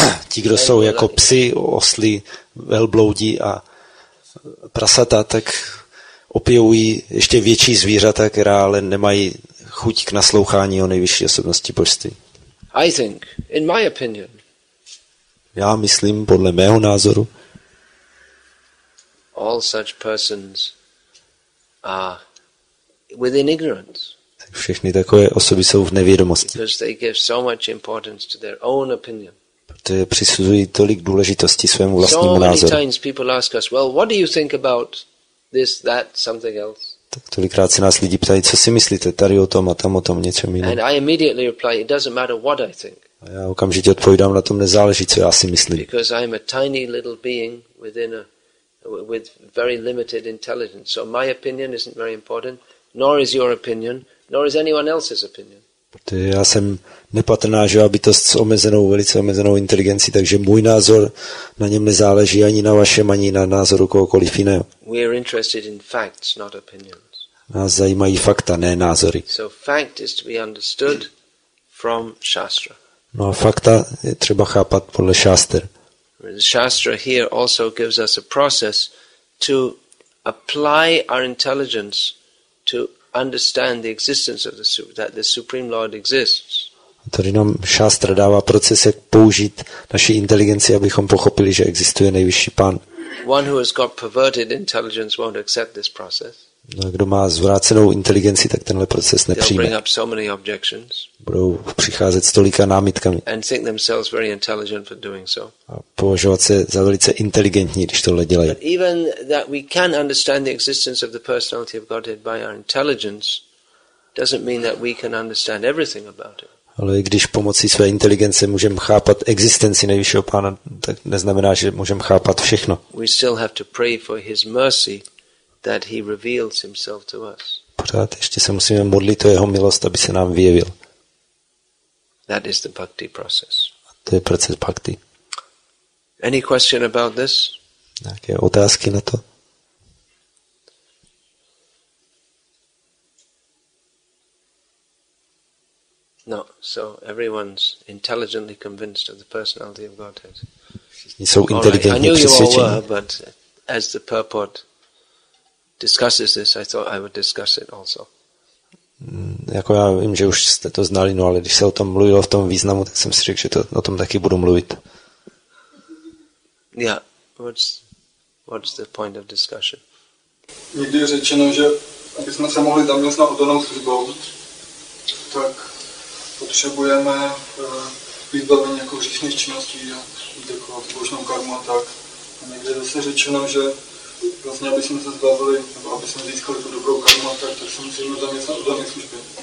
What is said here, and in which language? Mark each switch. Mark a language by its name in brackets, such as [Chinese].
[Czech] Ti, kdo jsou jako psi, osly, velbloudi a prasata, tak opijují ještě větší zvířata, která ale nemají chuť k naslouchání o nejvyšší osobnosti božství. [English] I think, in my opinion, [Czech] já myslím, podle mého názoru, [English] all such persons are within ignorance. [Czech] Všechny takové osoby jsou v nevědomosti. [English] Because they give so much importance to their own opinion. [Czech] Protože přisuzují tolik důležitosti svému vlastnímu názoru. [English] So many times people ask us, well, what do you think about this, that, something else? [Czech] Tak tolikrát se nás lidi ptají, co si myslíte tady o tom a tam o tom něco jiného. [English] And I immediately reply, it doesn't matter what I think. [Czech] A já okamžitě odpovídám, na tom nezáleží, co já si myslím. [English] Because I am a tiny little being within a with very limited intelligence. So my opinion isn't very important, nor is your opinion, nor is anyone else's opinion. [Czech] Protože já jsem nepatrná živá bytost s omezenou, velice omezenou inteligencí, takže můj názor na něm nezáleží ani na vašem, ani na názoru kohokoliv jiného. [English] We are interested in facts, not opinions. [Czech] Nás zajímají fakta, ne názory. [English] So fact is to be understood from Shastra. [Czech] No a fakta je třeba chápat podle šáster. [English] The Shastra here also gives us a process to apply our intelligence to understand the existence of the that the Supreme Lord exists. [Czech] Tady nám Shastra dává proces, jak použít naši inteligenci, abychom pochopili, že existuje nejvyšší pán. [English] One who has got perverted intelligence won't accept this process. [Czech] No, kdo má zvrácenou inteligenci, tak tenhle proces nepřijme. [English] Bring up so many objections. [Czech] Budou přicházet s tolika námitkami. [English] And think themselves very intelligent for doing so. [Czech] A považovat se za velice inteligentní, když tohle dělají. [English] But even that we can understand the existence of the personality of Godhead by our intelligence doesn't mean that we can understand everything about it. [Czech] Ale i když pomocí své inteligence můžeme chápat existenci nejvyššího pána, tak neznamená, že můžeme chápat všechno. [English] We still have to pray for his mercy that he reveals himself to us. [Czech] Pořád ještě se musíme modlit o jeho milost, aby se nám vyjevil. [English] That is the bhakti process. [Czech] A to je proces bhakti. [English] Any question about this? [Czech] Nějaké otázky na to? [English] No, so everyone's intelligently convinced of the personality of Godhead. [Czech] Jsou inteligentně přesvědčeni. [English] Right, but as the purport discusses this, I thought I would discuss it also. [Czech] Jako já vím, že už jste to znali, no ale když se o tom mluvilo v tom významu, tak jsem si řekl, že to, o tom taky budu mluvit. [English] Yeah, what's the point of discussion? [Czech] Někdy je řečeno, že abychom se mohli zaměstnat odanou službou, tak potřebujeme vybavení jako hříšných činností a takovou božnou karmu a tak. A někdy je zase řečeno, že vlastně abychom se zbavili, nebo abychom získali tu dobrou karmu a tak, tak se musíme zaměstnat odanou službě.